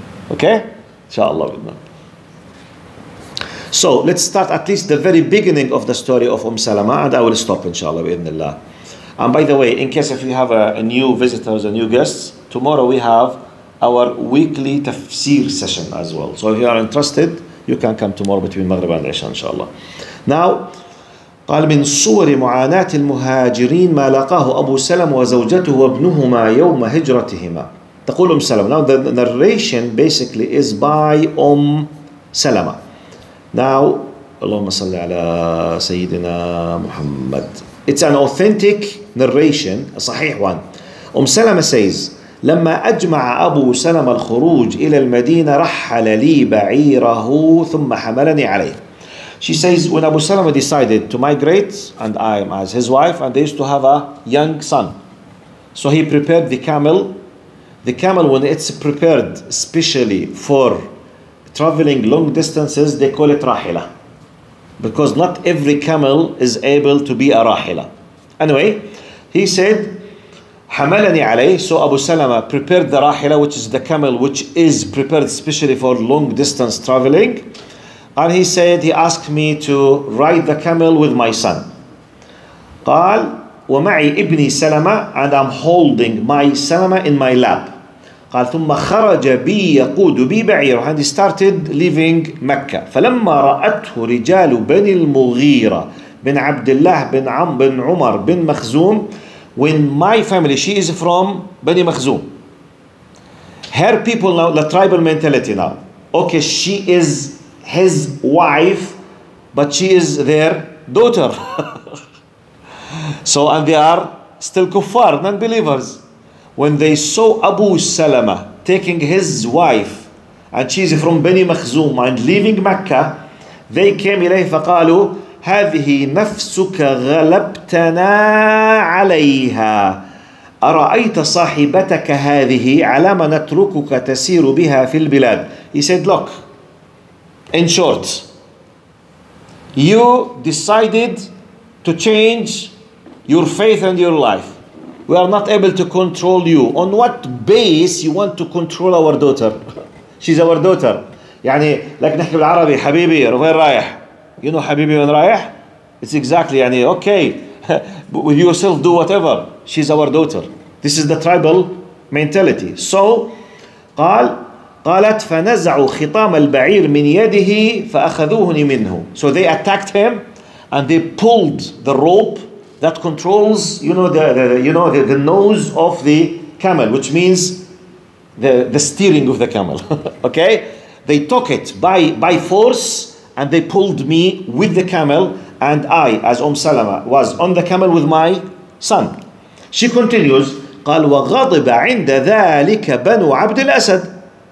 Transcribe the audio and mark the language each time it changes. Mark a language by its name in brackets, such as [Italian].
[English] Okay? Inshallah. So, let's start at least the very beginning of the story of Salama, and I will stop, inshallah, bi-idhnillah. And by the way, in case if you have a new visitors or new guests, tomorrow we have our weekly tafsir session as well. So, if you are interested, you can come tomorrow between Maghrib and Isha, inshallah. [Arabic] Now, قال من صور معاناة المهاجرين ما لقاه أبو سلم وزوجته وابنهما يوم هجرتهما. تقول أم سلمة. [English] Now the narration basically is by أم سلمة. [Arabic] Now اللهم صل على سيدنا محمد. [English] It's an authentic narration, a صحيح one. [Arabic] أم سلمة says لما أجمع أبو سلم الخروج إلى المدينة رحل لي بعيره ثم حملني عليه. [English] She says, when Abu Salama decided to migrate, and I am as his wife, and they used to have a young son. So he prepared the camel. The camel, when it's prepared especially for traveling long distances, they call it rahila. Because not every camel is able to be a rahila. Anyway, he said, [Arabic] حملني عليه. [English] So Abu Salama prepared the rahila, which is the camel which is prepared especially for long distance traveling. And he said, he asked me to ride the camel with my son. [Arabic] قال ومعي ابني سلمة, [English] and I'm holding my سلمة in my lap. [Arabic] قال ثم خرج بي يقود بي بعير, [English] and he started leaving Mecca. [Arabic] فلما رأته رجال بني المغيرة بن عبد الله بن عم بن عمر بن مخزوم, [English] when my family, she is from [Arabic] بني مخزوم. [English] Her people now, the tribal mentality now. Okay, she is his wife, but she is their daughter. So, and they are still kuffar, non-believers. When they saw Abu Salama taking his wife, and she is from Bani Makhzum, and leaving Mecca, they came [Arabic] إليه فقالوا هذه نفسك غلبتنا عليها أرأيت صاحبتك هذه على ما نتركك تسير بها في البلاد. [English] He said, look, in short, you decided to change your faith and your life. We are not able to control you. On what base you want to control our daughter? She's our daughter. [Arabic] يعني لك نحكي بالعربي حبيبي وين رايح. [English] You know [Arabic] حبيبي وين رايح? [English] It's exactly, يعني okay. But with yourself, do whatever. She's our daughter. This is the tribal mentality. [Arabic] So, قال قالت فنزعوا خطام البعير من يده فأخذوهني منه. [English] So they attacked him and they pulled the rope that controls, you know, the nose of the camel, which means the steering of the camel. Okay, they took it by force and they pulled me with the camel, and I, as Salama, was on the camel with my son. She continues, [Arabic] قال وغضب عند ذلك بنو عبد الأسد.